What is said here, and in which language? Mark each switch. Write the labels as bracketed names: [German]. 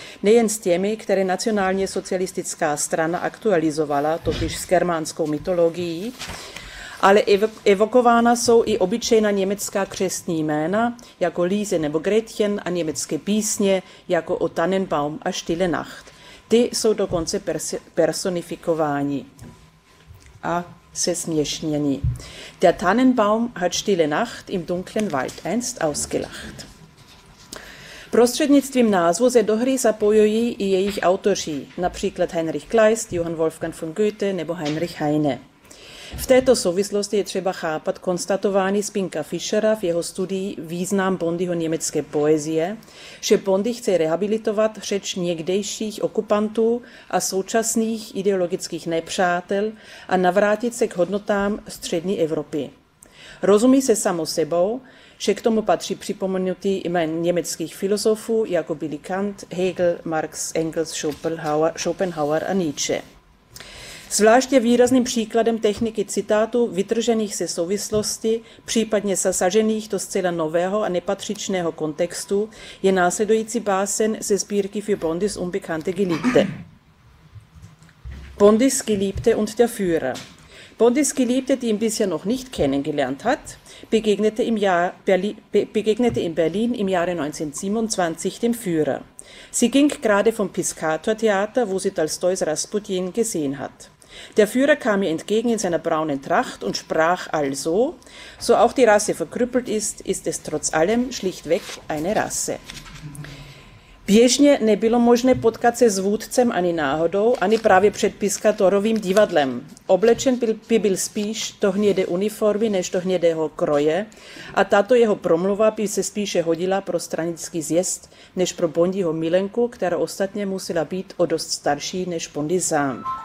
[Czech] Nejen s těmi, které nacionálně socialistická strana aktualizovala, totiž s germánskou mytologií, ale evokována jsou i obyčejná německá křestní jména, jako Lise nebo Gretchen, a německé písně, jako O Tannenbaum a Stille Nacht. Ty jsou dokonce personifikováni a zesměšněni. [German] Der Tannenbaum hat Stille Nacht im dunklen Wald einst ausgelacht. [Czech] Prostřednictvím názvu se do hry zapojují i jejich autoři, například Heinrich Kleist, Johann Wolfgang von Goethe nebo Heinrich Heine. V této souvislosti je třeba chápat konstatování Spinka Fischera v jeho studii Význam Bondyho německé poezie, že Bondy chce rehabilitovat řeč někdejších okupantů a současných ideologických nepřátel a navrátit se k hodnotám střední Evropy. Rozumí se samo sebou, že k tomu patří připomenutý jmén německých filozofů, jako byli Kant, Hegel, Marx, Engels, Schopenhauer a Nietzsche. Zvláště výrazným příkladem techniky citátů vytržených ze souvislosti, případně zasažených do zcela nového a nepatřičného kontextu, je následující básen ze sbírky Für Bondys unbekannte Geliebte. [German] Bondys Geliebte und der Führer. Bondys Geliebte, die ihn bisher noch nicht kennengelernt hat, begegnete in Berlin im Jahre 1927 dem Führer. Sie ging gerade vom Piscator-Theater, wo sie Tolstois Rasputin gesehen hat. Der Führer kam ihr entgegen in seiner braunen Tracht und sprach also, so auch die Rasse verkrüppelt ist, ist es trotz allem schlichtweg eine Rasse. [Czech] Běžně nebylo možné potkat se s vůdcem ani náhodou, ani právě před Piscatorovým divadlem. Oblečen by byl spíš do hnědé uniformy než do hnědého kroje a tato jeho promluva by se spíše hodila pro stranický zjezd než pro Bondyho milenku, která ostatně musela být o dost starší než Bondy sám.